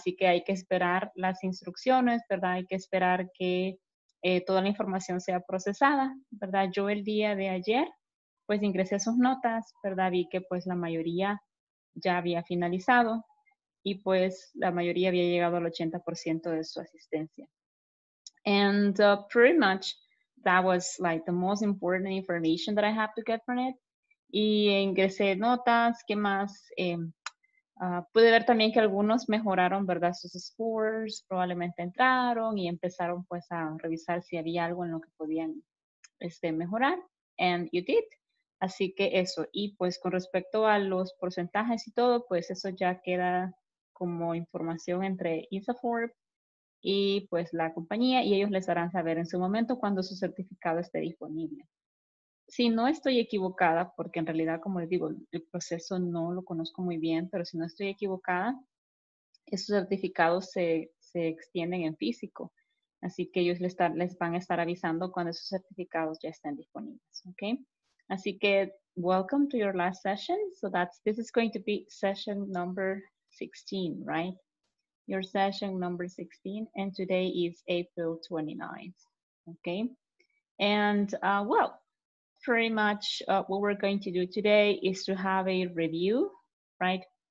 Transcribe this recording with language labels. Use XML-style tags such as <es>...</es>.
<es>Así que hay que esperar las instrucciones, ¿verdad? Hay que esperar que toda la información sea procesada, ¿verdad? Yo el día de ayer, pues ingresé a sus notas, ¿verdad? Vi que pues la mayoría ya había finalizado y pues la mayoría había llegado al 80% de su asistencia.</es> <en>And pretty much that was like the most important information that I have to get from it.</en> <es>Y ingresé notas, ¿qué más? Pude ver también que algunos mejoraron, ¿verdad? Sus scores, probablemente entraron y empezaron pues a revisar si había algo en lo que podían mejorar.</es> <en>And you did.</en> <es>Así que eso. Y pues con respecto a los porcentajes y todo, pues eso ya queda como información entre INSAFORP y pues la compañía, y ellos les harán saber en su momento cuando su certificado esté disponible. Si no estoy equivocada, porque en realidad, como les digo, el proceso no lo conozco muy bien, pero si no estoy equivocada, esos certificados se extienden en físico. Así que ellos les van a estar avisando cuando esos certificados ya estén disponibles.</es> <en>Okay?</en> <es>Así que,</es> <en>welcome to your last session. So this is going to be session number 16, right? Your session number 16, and today is April 29th, okay? And well, pretty much what we're going to do today is to have a review, right?</en>